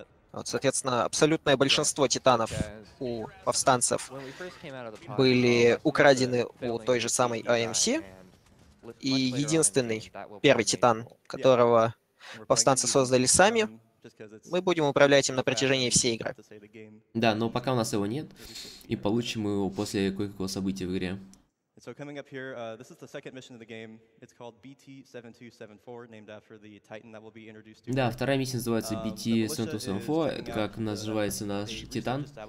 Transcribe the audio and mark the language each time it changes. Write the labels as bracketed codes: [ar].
[ru] Вот, соответственно, абсолютное большинство титанов у повстанцев были украдены у той же самой IMC. И единственный первый титан, которого повстанцы создали сами, мы будем управлять им на протяжении всей игры. Да, но пока у нас его нет, и получим его после кое-какого события в игре. [en] So coming up here, this is the second mission of the game. It's called BT-7274, named after the Titan that will be introduced to. [ru] Да, вторая миссия называется BT-7274, как называется наш Титан.